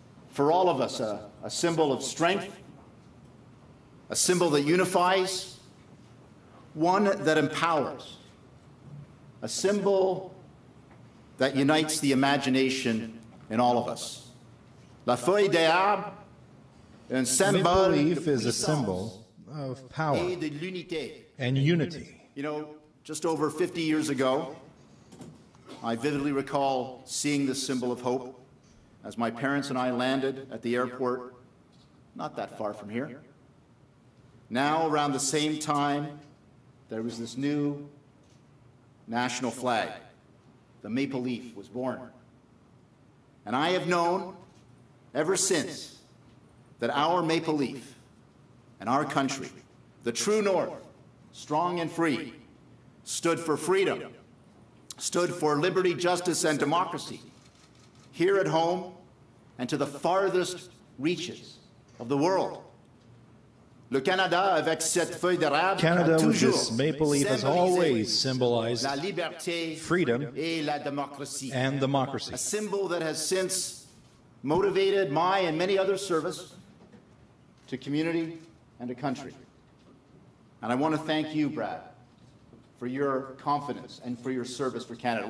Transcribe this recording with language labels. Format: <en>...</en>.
<en>For all of us, a symbol of strength, a symbol that unifies, one that empowers, a symbol that unites the imagination in all of us.</en> <fr>La feuille d'arbre, un symbole.</fr> <en>Maple leaf is a symbol of power and unity. You know, just over 50 years ago, I vividly recall seeing this symbol of hope as my parents and I landed at the airport not that far from here. Now, around the same time, there was this new national flag. The maple leaf was born. And I have known ever since that our maple leaf and our country, the true North, strong and free, stood for freedom, stood for liberty, justice, and democracy here at home and to the farthest reaches of the world.</en> <fr>Le Canada, avec cette feuille d'érable,</fr> <en>Canada with this maple leaf has always symbolized</en> <fr>la liberté,</fr> <en>freedom</en> <fr>et la démocratie.</fr> <en>And democracy. A symbol that has since motivated my and many other service to community and to country. And I want to thank you, Brad, for your confidence and for your service for Canada.</en>